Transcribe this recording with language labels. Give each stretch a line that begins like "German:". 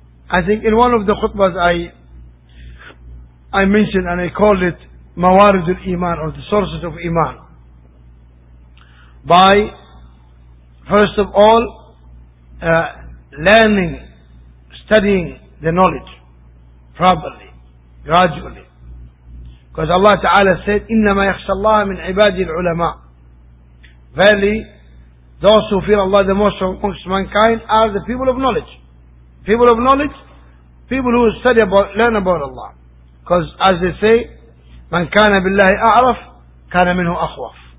English: I think in one of the khutbas I mentioned and I called it Mawarid al-Iman, or the sources of Iman. By, first of all, learning, studying the knowledge properly, gradually. Because Allah Ta'ala said,
Arabic: إِنَّمَا يَخْشَى اللَّهَ مِنْ عِبَادِ الْعُلَمَاءِ.
English: Verily, those who fear Allah the most amongst mankind are the people of knowledge. People of knowledge, people who study about, learn about Allah. Because as they say,
Arabic: مَنْ كَانَ بِاللَّهِ أَعْرَفْ كَانَ مِنْهُ أَخْوَفْ.